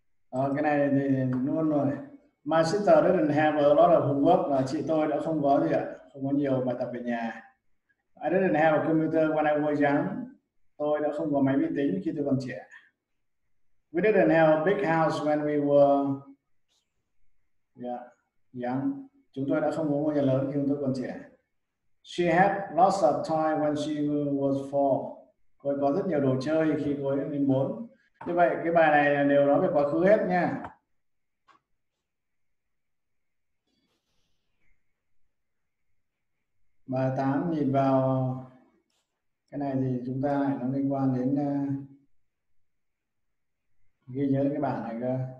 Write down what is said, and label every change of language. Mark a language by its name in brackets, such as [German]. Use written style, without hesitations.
[Vietnamese] À, cái này thì luôn rồi. [English] My sister didn't have a lot of homework. [Vietnamese] Và chị tôi đã không có gì ạ. Không có nhiều bài tập về nhà. [English] I didn't have a computer when I was young. [Vietnamese] Tôi đã không có máy vi tính khi tôi còn trẻ. [English] We didn't have a big house when we were young. [Vietnamese] Chúng tôi đã không có ngôi nhà lớn khi tôi còn trẻ. [English] She had lots of toy when she was four. [Vietnamese] Cô ấy có rất nhiều đồ chơi khi cô ấy lên 4. Như vậy cái bài này là đều nói về quá khứ hết nha. Bài 8 nhìn vào cái này thì chúng ta lại nó liên quan đến ghi nhớ cái bảng này cơ.